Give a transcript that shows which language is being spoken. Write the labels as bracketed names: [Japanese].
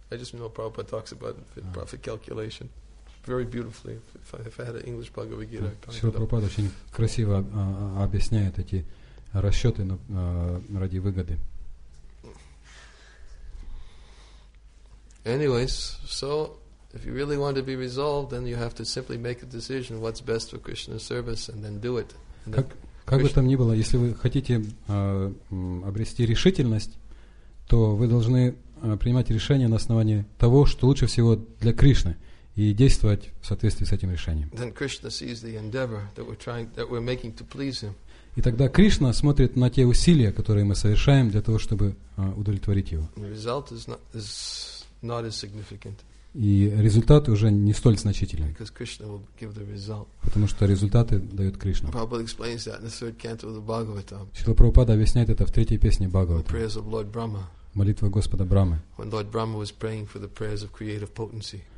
[English] I just know Prabhupada talks about profit calculation very beautifully. If I had an English Bhagavad Gita, I'd [Russian] Шрила Прабхупада очень красиво объясняет эти расчеты ради выгоды. [English] Anyways, so if you really want to be resolved, then you have to simply make a decision what's best for Krishna's service and then do it. [Russian] Как бы там ни было, если вы хотите обрести решительность, то вы должны принимать решение на основании того, что лучше всего для Кришны, и действовать в соответствии с этим решением. [English] Then Krishna sees the endeavor that we're trying, that we're making to please him. [Russian] И тогда Кришна смотрит на те усилия, которые мы совершаем для того, чтобы удовлетворить его. [English] Result is not as significant. [Russian] И результат уже не столь значительный. [English] Because Krishna will give the result. [Russian] Потому что результаты дает Кришна. [English] Prabhupada explains that in the third canto of the Bhagavatam. [Russian] Шрила Прабхупада объясняет это в третьей песне Бхагавата. [English] Prayers of Lord Brahma. [Russian] Молитва Господа Брамы. [English] When Lord Brahma was praying for the prayers of creative potency.